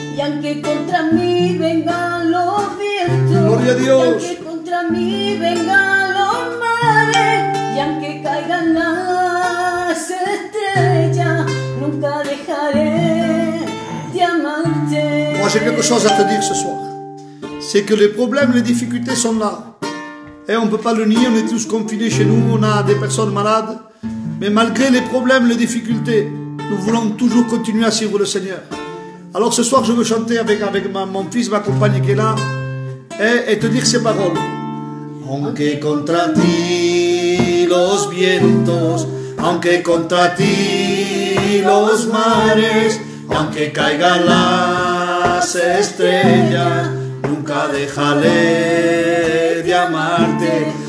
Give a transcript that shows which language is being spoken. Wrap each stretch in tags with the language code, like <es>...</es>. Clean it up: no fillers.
<es>Y aunque contra mí vengan los vientos, gloria a Dios. Y aunque contra mí vengan los mares, y aunque caigan las estrellas, nunca dejaré de amarte.</es> <fr>Moi, j'ai quelque chose à te dire ce soir. C'est que les problèmes, les difficultés sont là. Et on ne peut pas le nier, on est tous confinés chez nous, on a des personnes malades. Mais malgré les problèmes, les difficultés, nous voulons toujours continuer à suivre le Seigneur. Alors ce soir, je veux chanter avec mon fils, ma compagne qui est là, et te dire ces paroles.</fr> <es>Aunque contra ti los vientos, aunque contra ti los mares, aunque caigan las estrellas, nunca dejaré de amarte.</es>